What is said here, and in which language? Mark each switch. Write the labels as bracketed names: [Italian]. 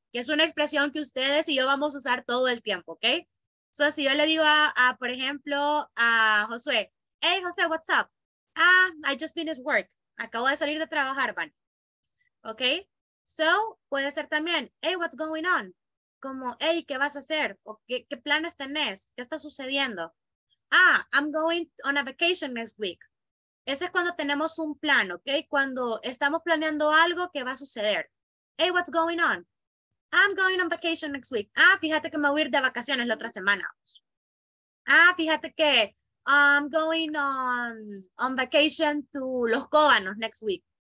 [Spanish] Que es una expresión que ustedes y yo vamos a usar todo el tiempo, ¿ok? So, si yo le digo a, por ejemplo, a Josué, hey, José, [English] what's up? [Spanish] Ah, [English] I just finished work. [Spanish] Acabo de salir de trabajar, van. ¿Ok? [English] So, [Spanish] puede ser también, [English] hey, what's going on? [Spanish] Como, hey, ¿qué vas a hacer? O, ¿qué planes tenés? ¿Qué está sucediendo? [English] Ah, I'm going on a vacation next week. [Spanish] Ese es cuando tenemos un plan, ¿ok? Cuando estamos planeando algo que va a suceder. [English] Hey, what's going on? I'm going on vacation next week. [Spanish] Ah, fíjate que me voy a ir de vacaciones la otra semana. [English] Ah, [Spanish] fíjate que [English] I'm going on vacation to Los Cóbanos next week.